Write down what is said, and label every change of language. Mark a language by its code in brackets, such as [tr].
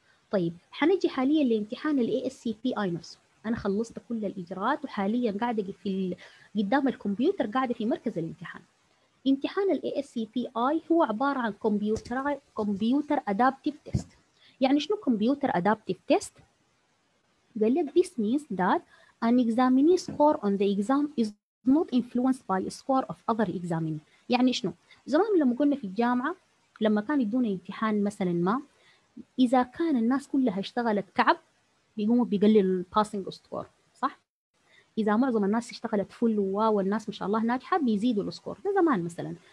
[ar] طيب حنجي حاليا لامتحان الاي اس سي بي اي نفسه. انا خلصت كل الاجراءات وحاليا قاعده في قدام الكمبيوتر قاعده في مركز الامتحان. امتحان الاي اس سي بي اي هو عباره عن كمبيوتر ادابتيف تيست. يعني شنو كمبيوتر ادابتيف تيست؟ قال لك [en] this means that an examinee's score on the exam is not influenced by the score of other examinee. [ar] يعني شنو؟ زمان لما كنا في الجامعه لما كان يدونا امتحان مثلا ما إذا كان الناس كلها اشتغلت كعب بيقوموا بيقلل الباسنج سكور صح؟ إذا معظم الناس اشتغلت فل والناس ما شاء الله ناجحة بيزيدوا السكور ده زمان مثلا.